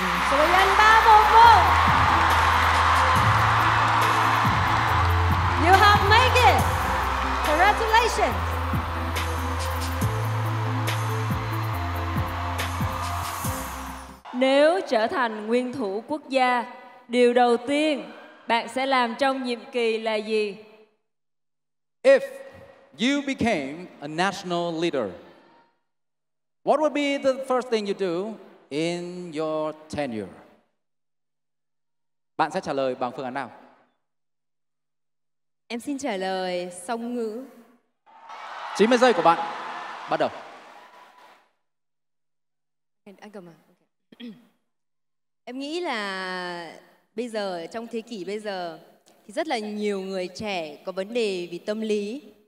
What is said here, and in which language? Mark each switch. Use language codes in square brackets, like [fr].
[vi] Số nhân 311. [en] You have made it. Congratulations. [vi] Nếu trở thành nguyên thủ quốc gia, điều đầu tiên bạn sẽ làm trong nhiệm kỳ là gì? [en] If you became a national leader, what would be the first thing you do in your tenure? [vi] Bạn sẽ trả lời bằng phương án nào? Em xin trả lời song ngữ. 90 giây của bạn bắt đầu. Anh cầm à? Em nghĩ là bây giờ, trong thế kỷ bây giờ thì rất là nhiều người trẻ có vấn đề về tâm lý.